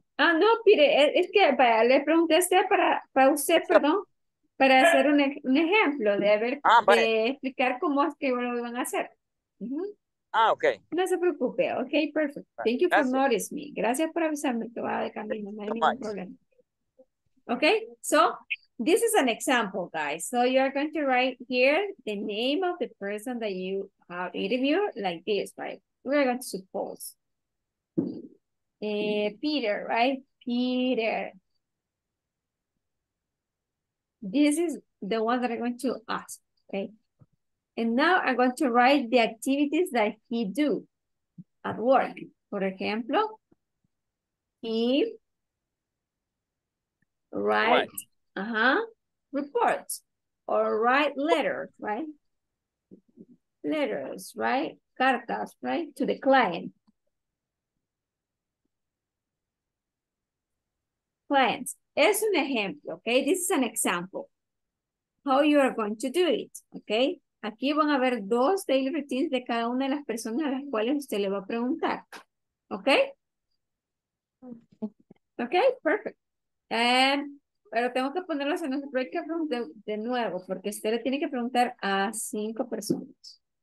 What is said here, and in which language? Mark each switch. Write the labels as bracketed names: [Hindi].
[Spanish] Ah, no, mire, es que para, le pregunté a usted, para usted, perdón, para hacer un ejemplo de, ver, de explicar cómo es que lo van a hacer. Ah, ok. No se preocupe, [English] ok, perfect. Right. Thank you for noticing me. [Spanish] Gracias por avisarme que va de camino, no hay ningún problema. [English] Okay, so this is an example, guys. So you are going to write here the name of the person that you have interviewed, like this, right? We are going to suppose. Peter, right? Peter. This is the one that I'm going to ask, okay? And now I'm going to write the activities that he do at work. For example, he write reports or write letters, right? Letters, right? Cartas, right? To the client. Clients. [Spanish] Es un ejemplo, [English] okay? This is an example. How you are going to do it, okay? [Spanish] Aquí van a ver dos daily routines de cada una de las personas a las cuales usted le va a preguntar. Okay? Okay, perfect. Pero tengo que ponerlos en los breakout rooms de nuevo, porque usted le tiene que preguntar a 5 personas.